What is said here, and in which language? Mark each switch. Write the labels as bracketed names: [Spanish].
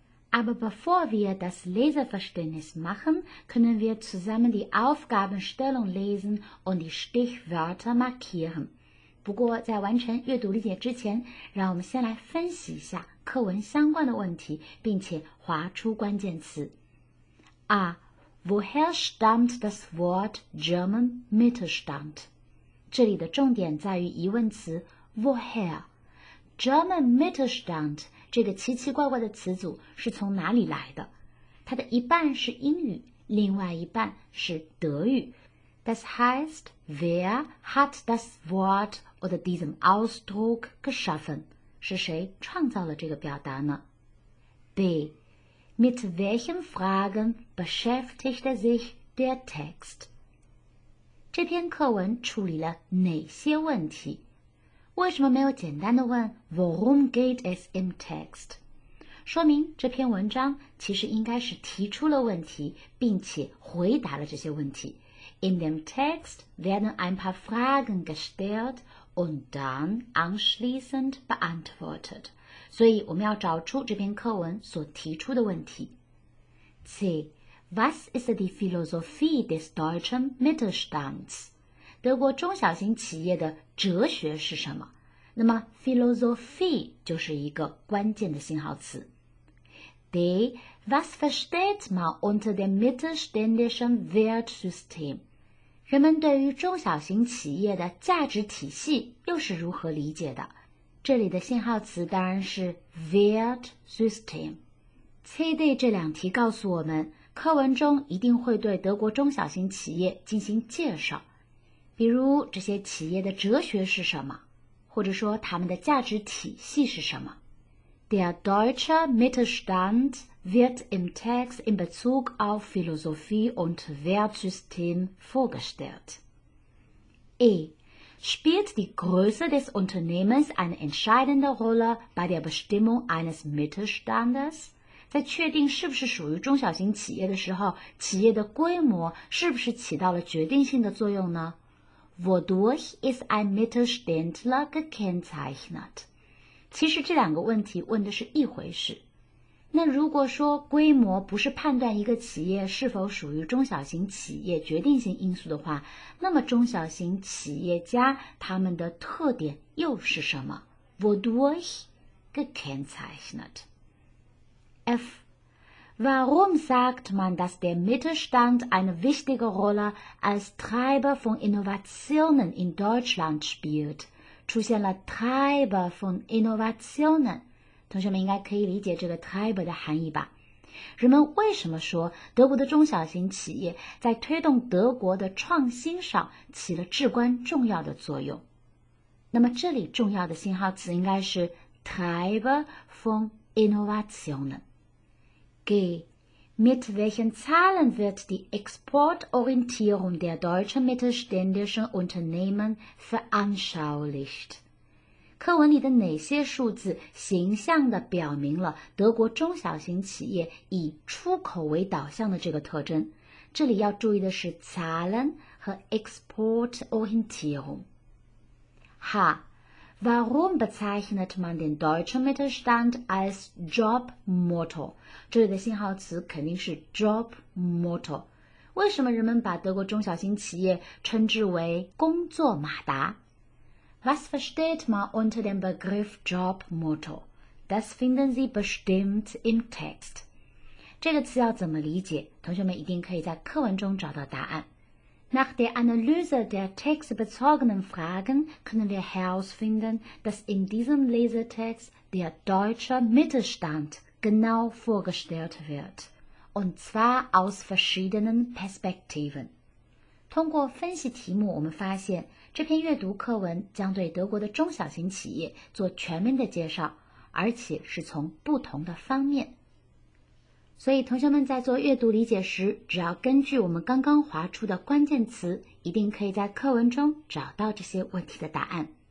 [German] Aber bevor wir das Leseverständnis machen, können wir zusammen die Aufgabenstellung lesen und die Stichwörter markieren. [Chinese] 不过在完成阅读理解之前，让我们先来分析一下课文相关的问题，并且划出关键词。 [German] 啊 ,woher stammt das Wort German Mittelstand? [Chinese] 这里的重点在于疑问词 woher? [German] German Mittelstand [Chinese] 这个奇奇怪怪的词组是从哪里来的？它的一半是英语，另外一半是德语。 [German] Das heißt, wer hat das Wort oder diesen Ausdruck geschaffen? [Chinese] 是谁创造了这个表达呢 ？B. [German] Mit welchen Fragen beschäftigt sich der Text? [Chinese] 这篇课文处理了哪些问题？为什么没有简单的问 [German] Worum geht es im Text? [Chinese] 说明这篇文章其实应该是提出了问题，并且回答了这些问题。 [German] In dem Text werden ein paar Fragen gestellt und dann anschließend beantwortet. [Chinese] 所以我们要找出这篇课文所提出的问题。 C. [German] Was ist die Philosophie des deutschen Mittelstands? [Chinese] 德国中小型企业的哲学是什么？那么 Philosophie 就是一个关键的信号词。 D. [German] Was versteht man unter dem mittelständischen Wertsystem? [Chinese] 人们对于中小型企业的价值体系又是如何理解的？这里的信号词当然是 Wertsystem。 CD 这两题告诉我们，课文中一定会对德国中小型企业进行介绍，比如这些企业的哲学是什么，或者说他们的价值体系是什么。 [German] Der deutsche Mittelstand wird im Text in Bezug auf Philosophie und Wertsystem vorgestellt. E. Spielt die Größe des Unternehmens eine entscheidende Rolle bei der Bestimmung eines Mittelstandes? [Chinese] 在确定是不是属于中小型企业的时候，企业的规模是不是起到了决定性的作用呢？ [German] Wodurch ist ein Mittelständler gekennzeichnet? [Chinese] 其实这两个问题问的是一回事。那如果说规模不是判断一个企业是否属于中小型企业决定性因素的话，那么中小型企业家他们的特点又是什么 [German] ？Wodurch gekennzeichnet? F. Warum sagt man, dass der Mittelstand eine wichtige Rolle als Treiber von Innovationen in Deutschland spielt? [Chinese] 出现了 [German] Treiber von Innovationen， [Chinese] 同学们应该可以理解这个 Treiber 的含义吧？人们为什么说德国的中小型企业在推动德国的创新上起了至关重要的作用？那么这里重要的信号词应该是 [German] Treiber von Innovationen。 G. Mit welchen Zahlen wird die Exportorientierung der deutschen mittelständischen Unternehmen veranschaulicht? [Chinese] 课文里的哪些数字形象地表明了德国中小型企业以出口为导向的这个特征？这里要注意的是 Zahlen 和 Exportorientierung。 H. [German] Warum bezeichnet man den deutschen Mittelstand als Jobmotto? [Chinese] 这里的信号词肯定是 Jobmotto。为什么人们把德国中小型企业称之为工作马达 [German] ？Was versteht man unter dem Begriff Jobmotto? Das finden Sie bestimmt im Text。 [Chinese] 这个词要怎么理解？同学们一定可以在课文中找到答案。 [German] Nach der Analyse der textbezogenen Fragen können wir herausfinden, dass in diesem Lesetext der deutsche Mittelstand genau vorgestellt wird, und zwar aus verschiedenen Perspektiven. [Chinese] 通过分析题目，我们发现这篇阅读课文将对德国的中小型企业做全面的介绍，而且是从不同的方面。所以同学们在做阅读理解时，只要根据我们刚刚划出的关键词，一定可以在课文中找到这些问题的答案。